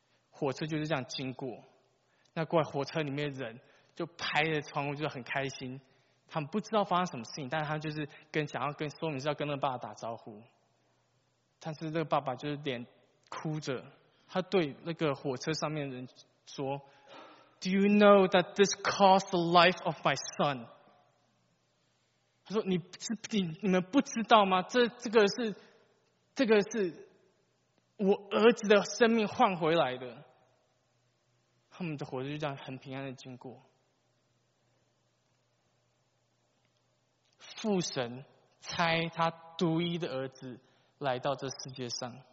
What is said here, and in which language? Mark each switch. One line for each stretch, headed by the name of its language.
Chinese: 火车就是这样经过，那过来火车里面的人就拍着窗户，就很开心。他们不知道发生什么事情，但是他就是想要跟说明是要跟那个爸爸打招呼。但是这个爸爸就是脸哭着，他对那个火车上面的人说：“
English: Do you know that this cost the life of my son?
Chinese: 他说 你们不知道吗？这个是我儿子的生命换回来的。他们的活着就这样很平安的经过。父神差他独一的儿子来到这世界上。